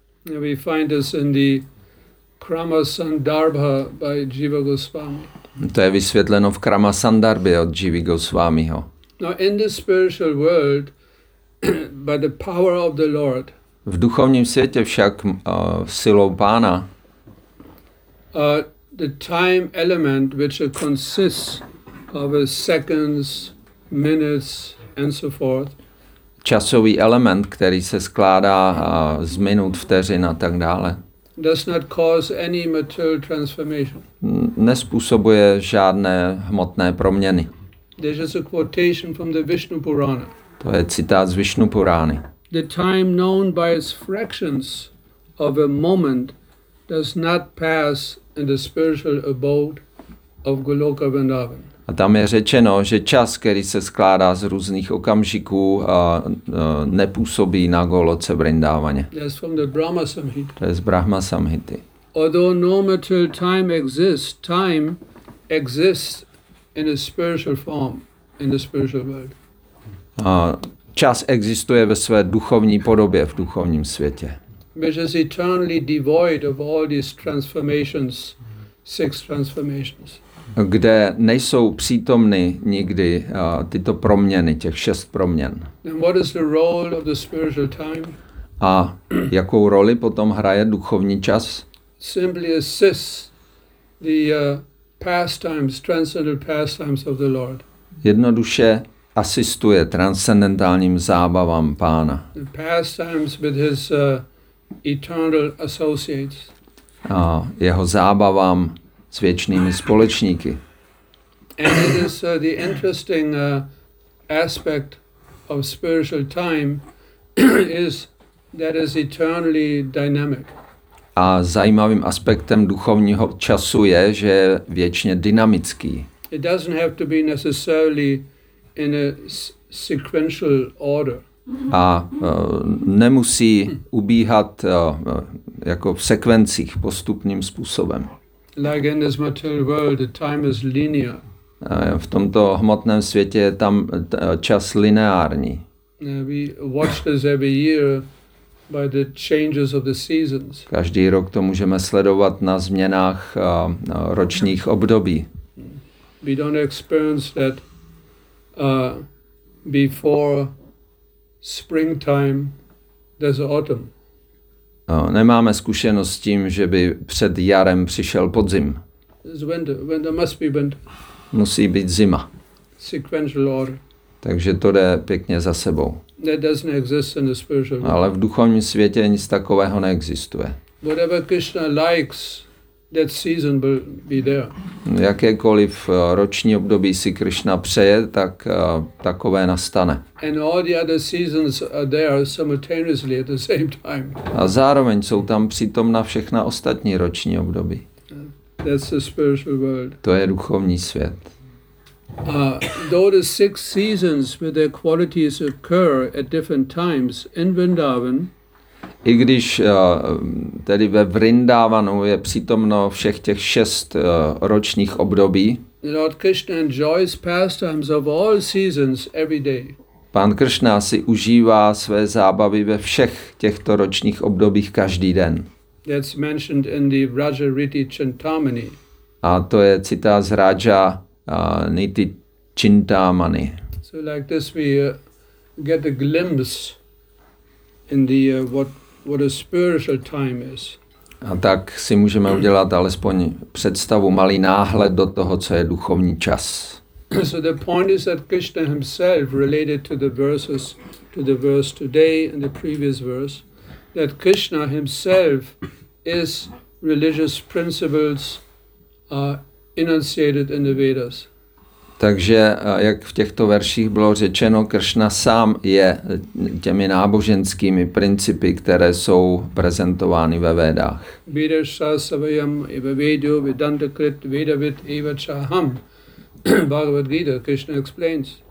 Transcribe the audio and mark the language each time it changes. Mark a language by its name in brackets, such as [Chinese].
[English] And we find this in the Krama Sandarbha by Jiva Goswami. [Czech] To je vysvětleno v Krama Sandarbhe od Jivy Goswamiho. [English] Now in the spiritual world, by the power of the Lord, [Czech] v duchovním světě však silou pána [English] the time element which consists of seconds, minutes and so forth. [Czech] Časový element, který se skládá z minut, vteřin a tak dále. [English] Does not cause any material transformation. [Czech] Nezpůsobuje žádné hmotné proměny. [English] This is a quotation from the Vishnu Purana. [Czech] To je citát z Vishnu Purány. [English] The time known by its fractions of a moment does not pass in the spiritual abode of Goloka Vrindavan. [Czech] A tam je řečeno, že čas, který se skládá z různých okamžiků, nepůsobí na Goloce Vrindavaně. [English] That's from the Brahma Samhita. [Czech] To je z Brahma Samhity. [English] Although no material time exists in a spiritual form, in the spiritual world. [Czech] Čas existuje ve své duchovní podobě, v duchovním světě. [English] Which is eternally devoid of all these transformations, six transformations. [Czech] Kde nejsou přítomny nikdy tyto proměny, těch šest proměn. [English] And what is the role of the spiritual time? [Czech] A jakou roli potom hraje duchovní čas? [English] Simply assists the pastimes, transcendental pastimes of the Lord. [Czech] Jednoduše asistuje transcendentálním zábavám Pána. [English] The pastimes with his eternal associates. [Czech] A jeho zábavám s věčnými společníky. [English] And it is the interesting aspect of spiritual time is that is eternally dynamic. [Czech] A zajímavým aspektem duchovního času je, že je věčně dynamický. [English] It doesn't have to be necessarily in a sequential order. [Czech] A nemusí ubíhat jako v sekvencích postupným způsobem. [English] Like in this material world, the time is linear. [Czech] V tomto hmotném světě je tam čas lineární. [English] We watch this every year by the changes of the seasons. [Czech] Každý rok to můžeme sledovat na změnách ročních období. [English] We don't experience that before springtime there's autumn. [Czech] Nemáme zkušenost s tím, že by před jarem přišel podzim. [English] Winter must be winter. [Czech] Musí být zima. [English] Sequential order. [Czech] Takže to jde pěkně za sebou. [English] That doesn't exist in the spiritual world. [Czech] Ale v duchovním světě nic takového neexistuje. [English] Whatever Krishna likes, that season will be there. [Czech] Jakékoliv roční období si Krishna přeje, tak takové nastane. [English] And all the other seasons are there simultaneously at the same time. [Czech] A zároveň jsou tam přítomna všechna ostatní roční období. [English] That's the spiritual world. [Czech] To je duchovní svět. [English] Though the six seasons with their qualities occur at different times in Vrindavan, [Czech] i když tedy ve Vrindavanu je přítomno všech těch šest ročních období, [English] Lord Krishna enjoys pastimes of all seasons every day. [Czech] Pán Krishna si užívá své zábavy ve všech těchto ročních obdobích každý den. [English] That's mentioned in the Raja Riti Chintamani. [Czech] A to je citát z Raja Niti Chintamani. [English] So like this we get a glimpse in the what a spiritual time is. [Czech] A tak si můžeme udělat alespoň představu, malý náhled do toho, co je duchovní čas. [English] So the point is that Krishna himself related to the verses, to the verse today and the previous verse, that Krishna himself is religious principles enunciated in the Vedas. [Czech] Takže jak v těchto verších bylo řečeno, Krishna sám je těmi náboženskými principy, které jsou prezentovány ve Vedách. [Sanskrit] Vedasya savayam eva vedyo vedanta krit vedavit eva chaham. [English] Bhagavad Gita, Krishna explains.